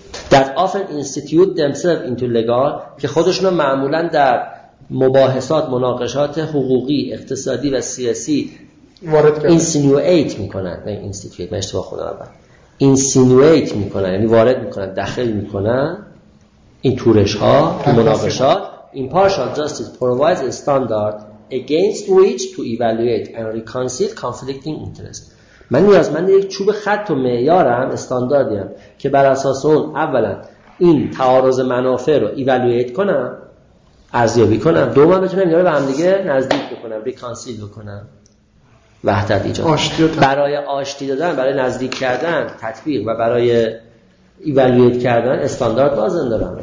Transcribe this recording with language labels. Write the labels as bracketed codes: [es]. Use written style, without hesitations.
[en] That often institute themselves into legal، [fa] که خودشون معمولا در مباحثات، مناقشات حقوقی، اقتصادی و سیاسی وارد کردن، insinuate میکنن، نه institute، من اشتباه خودم اول insinuate میکنن، یعنی وارد میکنن، دخل میکنن این تورش ها تو مناقشات. [en] Impartial justice provides a standard against which to evaluate and reconcile conflicting interests. [fa] من نیازمند یک چوب خط و معیارم، استانداردیم که بر اساس اون اولا این تعارض منافع رو ایوالویت کنم، ارزیابی کنم، دوما بتونم اینا رو به هم دیگه نزدیک بکنم، ریکانسیل بکنم، وحدت ایجاد کنم. برای آشتی دادن، برای نزدیک کردن، تطبیق و برای ایوالویت کردن استاندارد لازم دارم.